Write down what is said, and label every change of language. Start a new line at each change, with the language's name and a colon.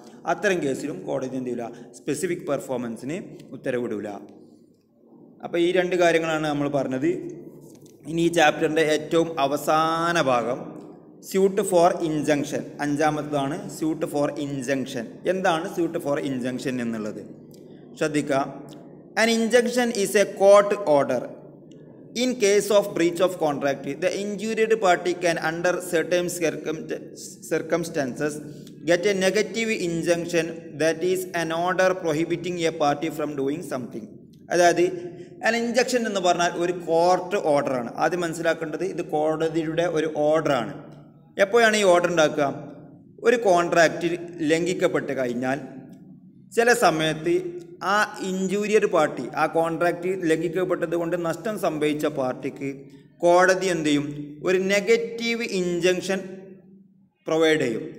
Malayalam: അത്തരം കേസിലും കോടതി എന്ത് ചെയ്യില്ല, സ്പെസിഫിക് പെർഫോമൻസിന് ഉത്തരവിടില്ല. അപ്പോൾ ഈ രണ്ട് കാര്യങ്ങളാണ് നമ്മൾ പറഞ്ഞത്. ഇനി ഈ ചാപ്റ്ററിൻ്റെ ഏറ്റവും അവസാന ഭാഗം, suit for injunction, അഞ്ചാമത്തതാണ് suit for injunction. എന്താണ് സ്യൂട്ട് ഫോർ ഇഞ്ചങ്ഷൻ എന്നുള്ളത് ശ്രദ്ധിക്കുക.
English: An injunction is a court order. In case of breach of contract, the injured party can under certain circumstances get a negative injunction, that is an order prohibiting a party from doing something.
Malayalam: അതായത് an injunction എന്ന് പറഞ്ഞാൽ ഒരു court order ആണ്. ആദ്യം മനസ്സിലാക്കേണ്ടത് ഇത് കോടതിയുടെ ഒരു ഓർഡറാണ്. എപ്പോഴാണ് ഈ ഓർഡർ ഉണ്ടാക്കുക, ഒരു കോൺട്രാക്റ്റ് ലംഘിക്കപ്പെട്ട് കഴിഞ്ഞാൽ ചില സമയത്ത് ആ ഇഞ്ചൂരിയർ പാർട്ടി, ആ കോൺട്രാക്റ്റ് ലംഘിക്കപ്പെട്ടത് കൊണ്ട് നഷ്ടം സംഭവിച്ച പാർട്ടിക്ക് കോടതി എന്ത് ചെയ്യും, ഒരു നെഗറ്റീവ് ഇഞ്ചങ്ഷൻ പ്രൊവൈഡ് ചെയ്യും.